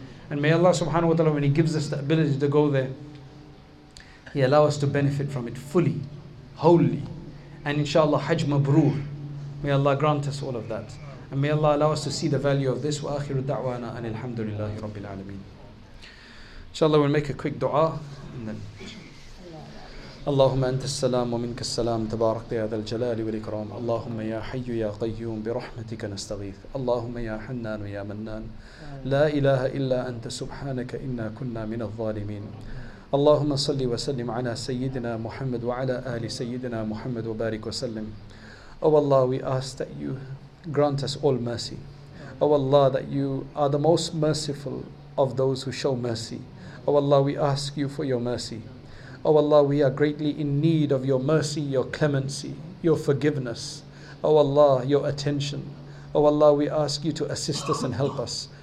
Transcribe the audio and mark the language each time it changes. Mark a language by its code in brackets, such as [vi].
[en] And may Allah subhanahu wa ta'ala, when He gives us the ability to go there, He allow us to benefit from it fully, wholly. And inshallah, Hajj Mabrur. May Allah grant us all of that. And may Allah allow us to see the value of this. [ar] Wa akhiru da'wana and alhamdulillahi rabbil alameen. [en] Inshallah, we'll make a quick dua and then... [ar] اللهم أنت السلام ومنك السلام تبارك يا ذا الجلال والإكرام اللهم يا حي يا قيوم برحمتك نستغيث اللهم يا حنان ويا منان لا إله إلا أنت سبحانك إنا كنا من الظالمين اللهم صل وسلم على سيدنا محمد وعلى آل سيدنا محمد وبارك وسلم [en] Oh Allah, we ask that you grant us all mercy. Oh Allah, that you are the most merciful of those who show mercy. Oh Allah, we ask you for your mercy. O Allah, we are greatly in need of your mercy, your clemency, your forgiveness. O Allah, your attention. O Allah, we ask you to assist us and help us.